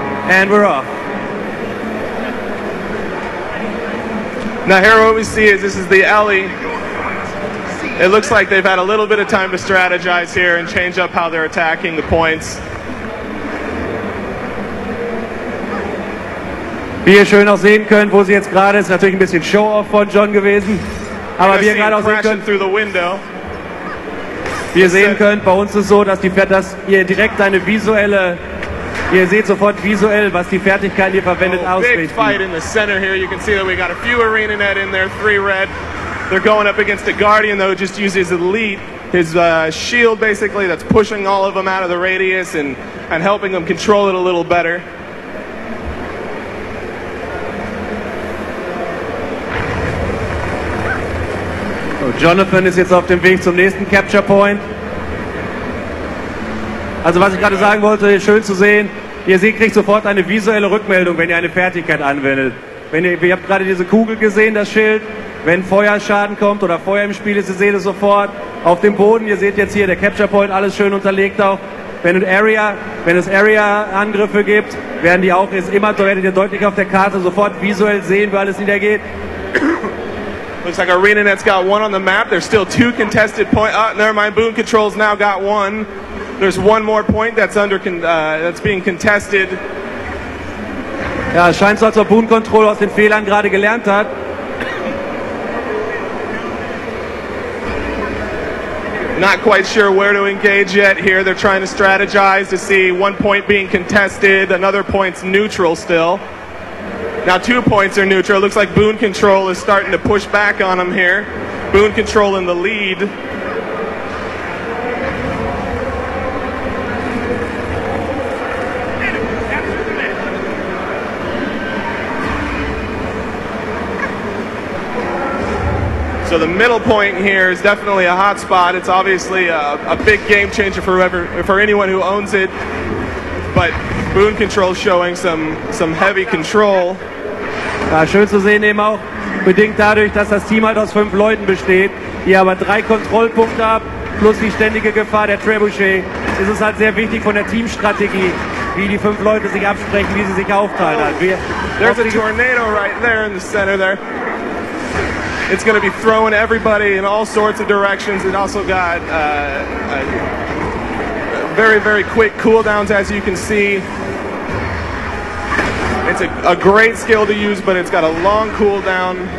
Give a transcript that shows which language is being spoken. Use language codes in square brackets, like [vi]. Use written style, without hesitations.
[en] And we're off. Now here what we see is this is the Ellie. It looks like they've had a little bit of time to strategize here and change up how they're attacking the points. [de] Wie ihr schön auch sehen könnt, wo sie jetzt gerade ist, natürlich ein bisschen Show-off von John gewesen. Aber wie ihr gerade auch sehen könnt, bei uns ist so, dass die Pferde, dass ihr direkt eine visuelle, ihr seht sofort visuell, was die Fertigkeiten ihr verwendet, ausrichten. [en] Big fight in the center here. You can see that we got a few ArenaNet in there, three red. They're going up against a Guardian, though, just uses Elite, his shield basically, that's pushing all of them out of the radius and helping them control it a little better. [de] Jonathan ist jetzt auf dem Weg zum nächsten Capture Point. Also was ich gerade sagen wollte, schön zu sehen, ihr seht, kriegt sofort eine visuelle Rückmeldung, wenn ihr eine Fertigkeit anwendet. Ihr habt gerade diese Kugel gesehen, das Schild. Wenn Feuerschaden kommt oder Feuer im Spiel ist, ihr seht es sofort. Auf dem Boden, ihr seht jetzt hier, der Capture Point, alles schön unterlegt auch. Wenn es Area-Angriffe gibt, werden die auch, werdet ihr deutlich auf der Karte sofort visuell sehen, wo alles niedergeht. [en] Looks like ArenaNet's got one on the map. There's still two contested points. Oh, never mind. Boon Control's now got one. There's one more point that's under that's being contested. [de] Ja, scheint so, als ob Boon Control aus den Fehlern gerade gelernt hat. [en] Not quite sure where to engage yet here. They're trying to strategize to see one point being contested, another point's neutral still. Now two points are neutral. Looks like Boon Control is starting to push back on them here. Boon Control in the lead. So the middle point here is definitely a hot spot. It's obviously a big game changer for whoever, for anyone who owns it. But Boon Control showing some heavy control. [de] Ja, schön zu sehen eben auch, bedingt dadurch, dass das Team halt aus fünf Leuten besteht, die aber drei Kontrollpunkte haben, plus die ständige Gefahr der Trebuchet, ist es halt sehr wichtig von der Teamstrategie, wie die fünf Leute sich absprechen, wie sie sich aufteilen. [en] There's a tornado right there in the center there. It's going to be throwing everybody in all sorts of directions. It also got very, very quick cooldowns, as you can see. It's a great skill to use, but it's got a long cooldown.